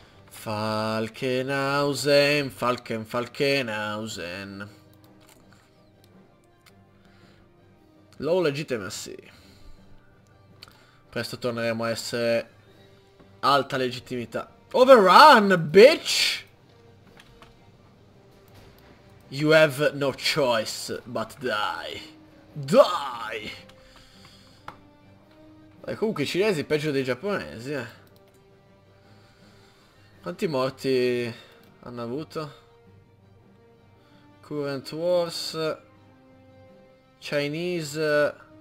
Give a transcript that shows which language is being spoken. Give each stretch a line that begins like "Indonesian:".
English: Falkenhausen, Falken, Falkenhausen. Low legitimacy.
Italian: Presto torneremo a essere alta legittimità.
English: Overrun, bitch! You have no choice but die. Die!
Italian: Dai, comunque i cinesi peggio dei giapponesi, eh. Quanti morti hanno avuto? Current Wars.
English: Chinese.